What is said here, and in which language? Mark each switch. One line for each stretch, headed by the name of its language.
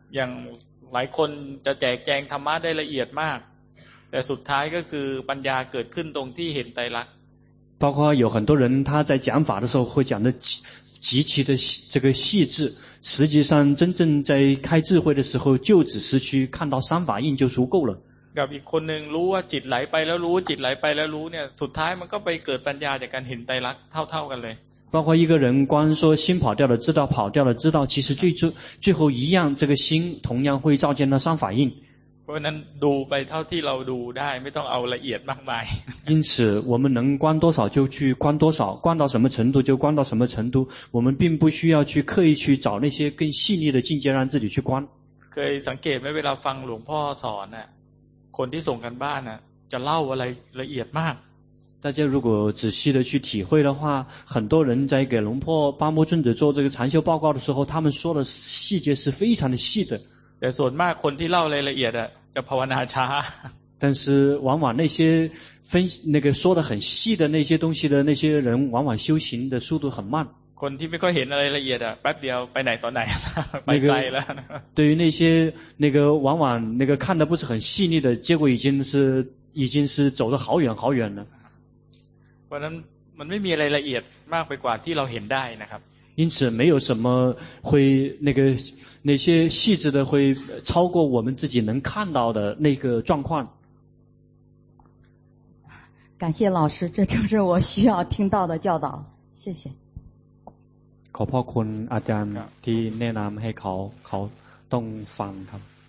Thai: อย่างหลายคนจะแจกแจงธรรมะได้ละเอียดมากแต่สุดท้ายก็คือปัญญาเกิดขึ้นตรงที่เห็นไตรลักษณ์
Chinese: 包括有很多人他在讲法的时候会讲的极其的这个细致，实际上真正在开智慧的时候就只是去看到三法印就足够了。
Thai: กับอีกคนหนึ่งรู้ว่าจิตไหลไปแล้วรู้จิตไหลไปแล้วรู้เนี่ยสุดท้ายมันก็ไปเกิดปัญญาจากการเห็นไตรลักษณ์เท่าๆกันเลย。
Chinese: 包括一个人光说心跑掉了知道跑掉了知道，其实最后一样这个心同样会照见那三法印。
Thai: เพราะนั้นดูไปเท่าที่เราดูได้ไม่ต้องเอาละเอียดมากมาย。
Chinese: 因此我们能观多少就去观多少，观到什么程度就观到什么程度，我们并不需要去刻意去找那些更细腻的境界让自己去观。
Thai: เคยสังเกตไหมเวลาฟังหลวงพ่อสอนน่ะคนที่ส่งกันบ้านน่ะจะเล่าอะไรละเอียดมาก。
Chinese: 大家如果仔细的去体会的话，很多人在给龙破八木尊者做这个禅修报告的时候，他们说的细节是非常的细的。
Thai: แต่ส่วนมากคนที่เล่ารายละเอียดอะจะภาวนาช้า。
Chinese: 但是往往那些说的很细的那些东西的那些人，往往修行的速度很慢。
Thai: คนที่ไม่ค่อยเห็นรายละเอียดอะแป๊บเดียวไปไหนต่อไหนไปไกลแล้ว。
Chinese: 对于那些往往看的不是很细腻的，结果已经是走得好远好远了。
Thai: เพราะนั้นมันไม่มีรายละเอียดมากไปกว่าที่เราเห็นได้นะครับ
Chinese: 因此没有什么会那些细致的会超过我们自己能看到的那个状况感谢老师这就是我需要听到的教导谢谢
Thai: ขอบคุณอาจารย์ที่แนะนำให้เขาต้องฟังครับ